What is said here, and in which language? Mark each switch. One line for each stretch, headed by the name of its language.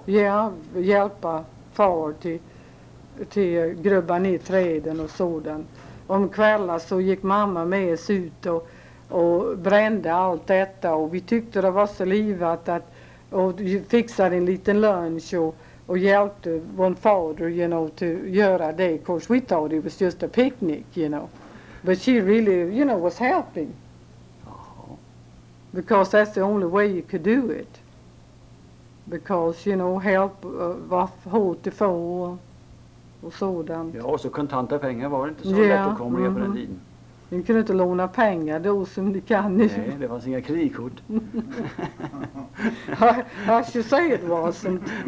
Swedish: Ja, hjälpa far till grubba ner träden och sådant. Om kvällar så gick mamma med oss ut och brände allt detta. Och vi tyckte det var så livat att och fixade en liten lunch och hjälpte vår fader,
English: you know, to
Swedish: göra det.
English: Of course we thought it was just a picnic, you know. But she really, you know, was helping. Oh. Because that's the only way you could do it. because, you know, help
Swedish: var hårt att få och sådant. Ja, och så kontanta pengar var inte så lätt att komma på den tiden. Ni kunde inte låna pengar då som ni kan nu. Nej, det fanns inga kreditkort.
English: I should say it wasn't.